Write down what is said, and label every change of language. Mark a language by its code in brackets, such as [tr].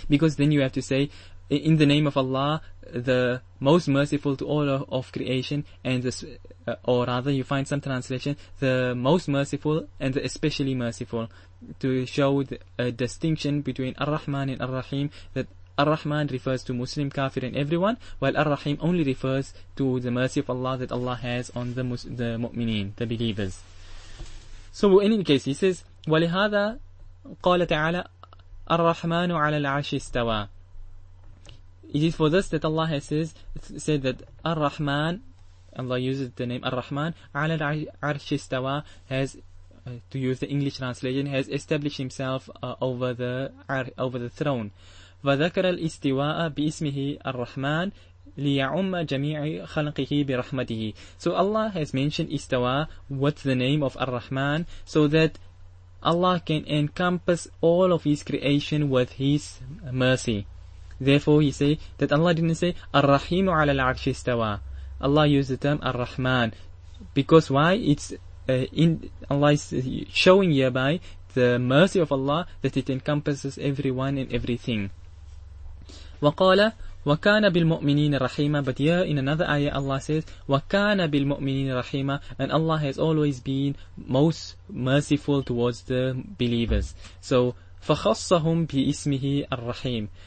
[en] Because then you have to say, in the name of Allah, the most merciful to all of creation, and you find some translation, the most merciful and the especially merciful, to show a distinction between Ar-Rahman and Ar-Rahim, that Ar-Rahman refers to Muslim, kafir, and everyone, while Ar-Rahim only refers to the mercy of Allah that Allah has on the mu'mineen, the believers. So in any case, he says, [ar] وَلِهَذَا قَالَ تَعَالَى أَرْرَحْمَانُ عَلَى الْعَرْشِ اسْتَوَى. [en] It is for this that Allah has said that Ar-Rahman, Allah uses the name Ar-Rahman, [ar] عَلَى الْعَرْشِ اسْتَوَى, [en] to use the English translation, has established himself over the throne. [ar] وَذَكَرَ الْإِسْتِوَاءَ بِإِسْمِهِ الرَّحْمَنِ لِيَعُمَّ جَمِيعِ خَلْقِهِ بِرَحْمَتِهِ. [en] So Allah has mentioned Istawa with the name of Ar-Rahman, so that Allah can encompass all of His creation with His mercy. Therefore, He say that Allah didn't say [ar] Ar-Rahimu ala al-Arshi istawa. [en] Allah used the term Ar-Rahman. Because why? It's in Allah is showing hereby the mercy of Allah that it encompasses everyone and everything. [ar] وَقَالَ وَكَانَ بِالْمُؤْمِنِينَ رَحِيمًا. [en] But here in another ayah Allah says [ar] وَكَانَ بِالْمُؤْمِنِينَ رَحِيمًا. [en] And Allah has always been most merciful towards the believers. So [ar] فَخَصَّهُمْ بِإِسْمِهِ الرَّحِيمِ.